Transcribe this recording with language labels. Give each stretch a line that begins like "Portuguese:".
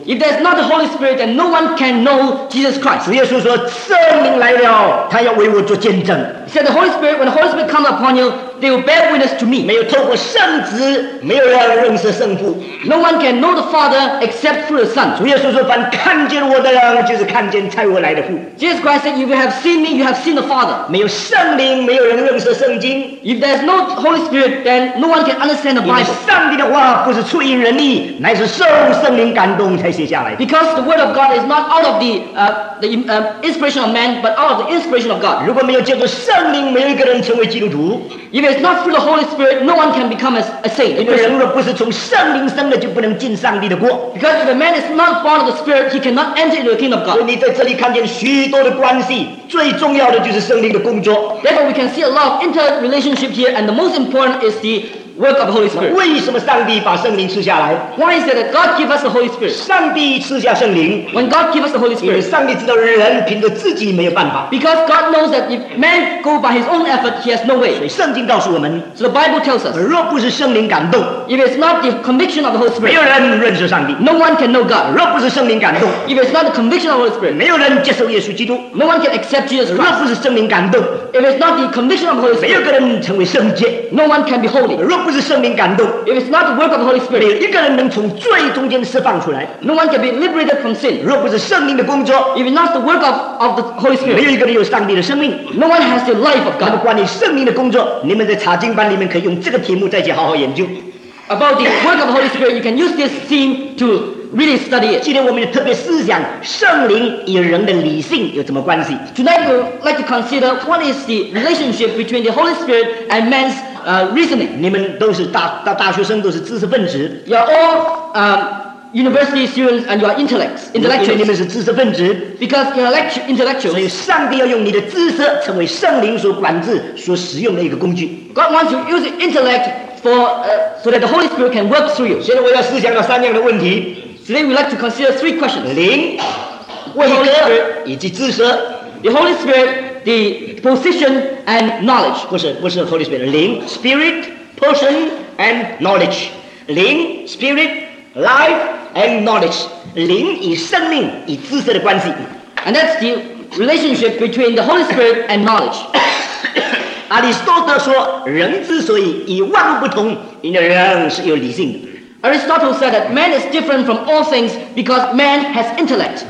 English: If there's not the Holy Spirit, then no one can know Jesus Christ.
Chinese: 耶稣说，圣灵来了，他要为我做见证。
English: He said, the Holy Spirit, when the Holy Spirit comes upon you, they will bear witness to me.
Chinese: 没有透过圣子，没有人认识圣父。
English: No one can know the Father except through the Son.
Chinese: 耶稣说，凡看见我的人，就是看见差我来的父。
English: Jesus Christ said, if you have seen me, you have seen the Father.
Chinese: 没有圣灵，没有人认识圣经。
English: If there's no Holy Spirit, then no one can understand the Bible.
Chinese: 上帝的话不是出于人意，乃是受圣灵感动才写下来的。
English: Because the word of God is not out of the inspiration of man, but out of the inspiration of God.
Chinese: 如果没有借助圣灵，没有一个人成为基督徒。
English: If it's not through the Holy Spirit, no one can become a saint.
Chinese: 因为人若不是从圣灵生的，就不能进上帝的国。
English: Because if a man is not born of the Spirit, he cannot enter into the kingdom of God.
Chinese: 所以你在这里看见许多的关系，最重要的就是圣灵的工作。
English: Therefore, we can see a lot of interrelationship here, and the most important is the work of the Holy Spirit.
Chinese: 为什么上帝把圣灵赐下来？
English: Why is it that God give us the Holy Spirit?
Chinese: 上帝赐下圣灵。
English: When God give us the Holy Spirit,
Chinese: 上帝知道人凭着自己没有办法。
English: Because God knows that if man go by his own effort, he has no way.
Chinese: 所以圣经告诉我们。
English: So the Bible tells us.
Chinese: 若不是圣灵感动。
English: If it's not the conviction of the Holy Spirit.
Chinese: 没有人认识上帝。
English: No one can know God.
Chinese: 若不是圣灵感动。
English: If it's not the conviction of the Holy Spirit.
Chinese: 没有人接受耶稣基督。
English: No one can accept Jesus Christ.
Chinese: 若不是圣灵感动。
English: If it's not the conviction of the Holy Spirit.
Chinese: 没有个人成为圣洁。
English: No one can be holy.
Chinese: 若不是圣灵感动。
English: If it's not the work of the Holy Spirit.
Chinese: 没有一个人能从罪中间释放出来。
English: No one can be liberated from sin.
Chinese: 若不是圣灵的工作。
English: If it's not the work of the Holy Spirit.
Chinese: 没有一个人有上帝的生命。
English: No one has the life of God.
Chinese: 那么关于圣灵的工作，你们在查经班里面可以用这个题目再去好好研究。
English: About the work of the Holy Spirit, you can use this theme to really study it.
Chinese: 今天我们特别思想圣灵与人的理性有什么关系。
English: Tonight we'd like to consider what is the relationship between the Holy Spirit and man's reasoning.
Chinese: 你们都是大学生，都是知识分子。
English: You're all university students and you are intellectuals.
Chinese: 你们是知识分子。
English: Because you're intellectuals.
Chinese: 所以上帝要用你的知识成为圣灵所管制、所使用的一个工具。
English: God wants to use intellect. So that the Holy Spirit can work through you.
Chinese: 现在我要思想了三样的问题。
English: Today we'd like to consider three questions.
Chinese: 灵、位格以及知识。
English: The Holy Spirit, the position and knowledge.
Chinese: 不是
English: Holy Spirit.
Chinese: 灵
English: Spirit, person and knowledge.
Chinese: 灵
English: Spirit, life and knowledge.
Chinese: 灵与生命与知识的关系。
English: And that's the relationship between the Holy Spirit and knowledge.
Chinese: 阿里斯多德说，人之所以与万物不同，因为人是有理性的。
English: Aristotle said that man is different from all things because man has intellect.